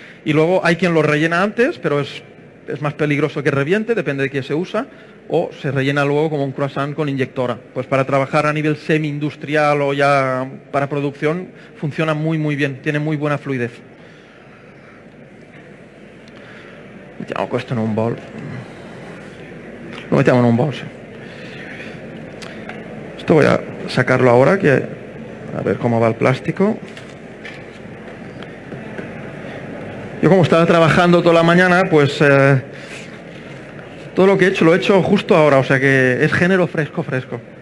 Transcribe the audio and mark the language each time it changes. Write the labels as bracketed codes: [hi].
[es] Y luego hay quien lo rellena antes, pero es más peligroso que reviente, depende de qué se usa, o se rellena luego como un croissant con inyectora. Pues para trabajar a nivel semi-industrial o ya para producción, funciona muy, muy bien. Tiene muy buena fluidez. [it] mettiamo questo in un bowl. Lo mettiamo in un bowl, sì. Questo [es] voy a sacarlo ahora, que a ver cómo va el plástico. Yo como estaba trabajando toda la mañana, pues todo lo he hecho justo ahora, o sea que es género fresco, fresco.